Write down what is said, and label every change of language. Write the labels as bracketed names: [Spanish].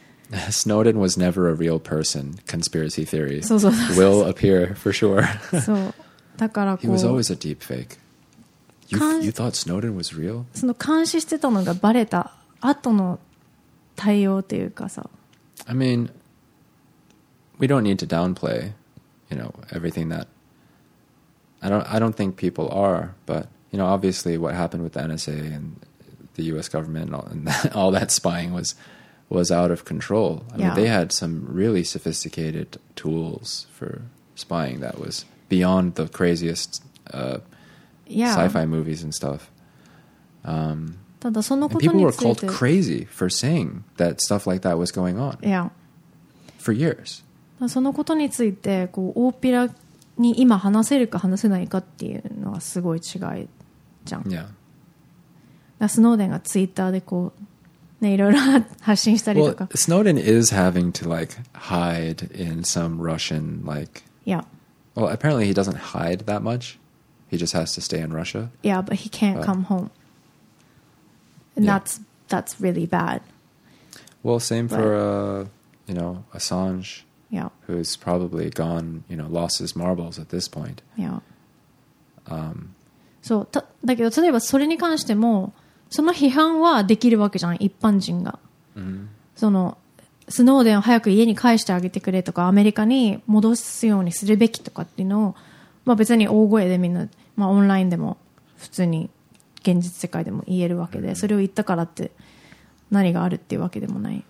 [English] Snowden was never a real person. Conspiracy theory. [Japanese] そうそうそう。 [English] Will appear for sure. [Japanese] そう。だからこう。 [English] He was always a deep fake. You thought Snowden was real? [Japanese] その監視してたのがバレた後の対応っていうかさ。 [English] I mean, we don't need to downplay, you know, everything that... I don't think people are, but, you know, obviously what happened with the NSA and the US government and all that spying was out of control. I mean, they had some really sophisticated tools for spying that was beyond the craziest... Yeah. Sci-fi movies and stuff. [Japanese] ただそのことについて、 [English] and people were called crazy for saying that stuff like that was going on. Yeah. For years. [Japanese] そのことについてこう大っぴらに今話せるか話せないかっていうのはすごい違いじゃん。 [English] Yeah. [Japanese] スノーデンがツイッターでこうねいろいろ発信したりとか。 [English] Well, Snowden is having to like hide in some Russian like. Yeah. Well, apparently he doesn't hide that much. He just has to stay in Russia. Yeah, but he can't come home. And that's really bad. Well, same for, you know, Assange. Yeah. Who's probably gone, you know, lost his marbles at this point. Yeah. [Japanese] So, だけど例えばそれに関しても、その批判はできるわけじゃん、一般人が。その、スノーデンを早く家に返してあげてくれとか、アメリカに戻すようにするべきとかっていうのをまあ、別に大声でみんな、まあ、オンラインでも普通に現実世界でも言えるわけで、それを言ったからって何があるっていうわけでもない。